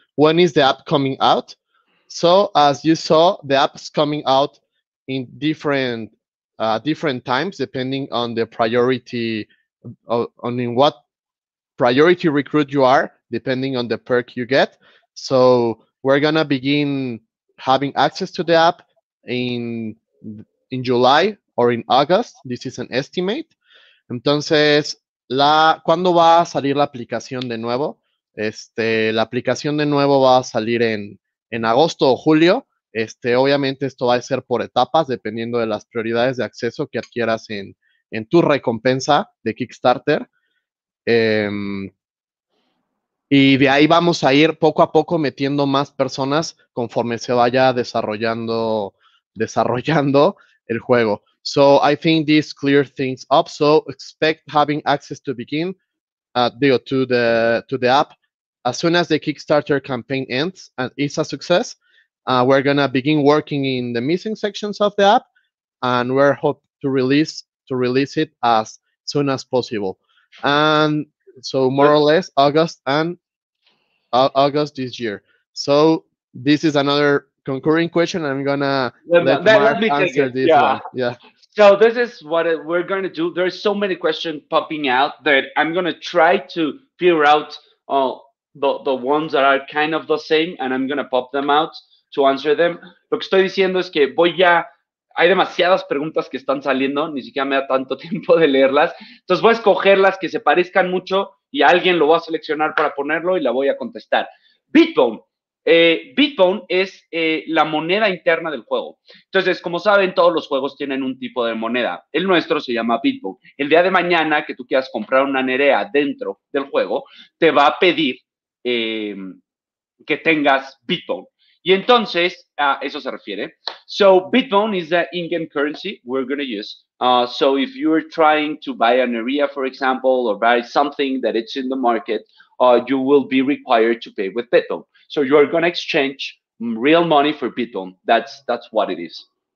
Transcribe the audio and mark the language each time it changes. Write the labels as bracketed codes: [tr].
[en] When is the app coming out? So as you saw, the app's coming out in different times, depending on the priority, on in what priority recruit you are, depending on the perk you get. So we're going to begin having access to the app in July or in August. This is an estimate. [es] Entonces, ¿cuándo va a salir la aplicación de nuevo? La aplicación de nuevo va a salir en agosto o julio. Obviamente esto va a ser por etapas, dependiendo de las prioridades de acceso que adquieras en tu recompensa de Kickstarter. Y de ahí vamos a ir poco a poco metiendo más personas conforme se vaya desarrollando el juego. [en] So I think this clears things up. So expect having access to begin to the app as soon as the Kickstarter campaign ends and is a success. We're going to begin working in the missing sections of the app, and we're hope to release it as soon as possible. And so more or less August this year. So this is another concurring question. I'm going to let Mark answer this one. Yeah. So this is what we're going to do. There's so many questions popping out that I'm going to try to figure out the ones that are kind of the same, and I'm going to pop them out to answer them. [es] Lo que estoy diciendo es que hay demasiadas preguntas que están saliendo, ni siquiera me da tanto tiempo de leerlas. Entonces voy a escoger las que se parezcan mucho y alguien lo va a seleccionar para ponerlo y la voy a contestar. Bitbone. Bitbone es la moneda interna del juego. Entonces, como saben, todos los juegos tienen un tipo de moneda. El nuestro se llama Bitbone. El día de mañana que tú quieras comprar una Nerea dentro del juego, te va a pedir que tengas Bitbone. Y entonces, eso se refiere. [en] So, Bitbone is the in-game currency we're going to use. So, if you're trying to buy an area, for example, or buy something that it's in the market, you will be required to pay with Bitbone. So, you're going to exchange real money for Bitbone. That's what it is.